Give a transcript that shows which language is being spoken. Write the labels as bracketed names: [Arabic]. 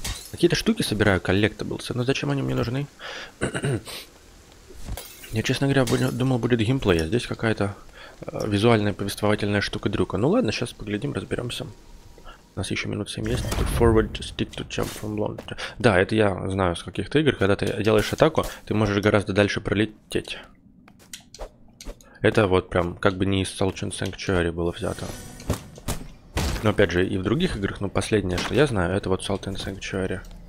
[Russian] Какие-то штуки собираю, коллектаблсы. Но зачем они мне нужны? Я, честно говоря, думал, будет геймплей. А здесь какая-то визуальная повествовательная штука-дрюка. Ну ладно, сейчас поглядим, разберемся. У нас еще минут 7 есть. [English] Forward stick to jump from launch. [Russian] Да, это я знаю с каких-то игр. Когда ты делаешь атаку, ты можешь гораздо дальше пролететь. Это вот прям как бы не из Salt and Sanctuary было взято. Но опять же и в других играх, ну последнее, что я знаю, это вот Salt and Sanctuary.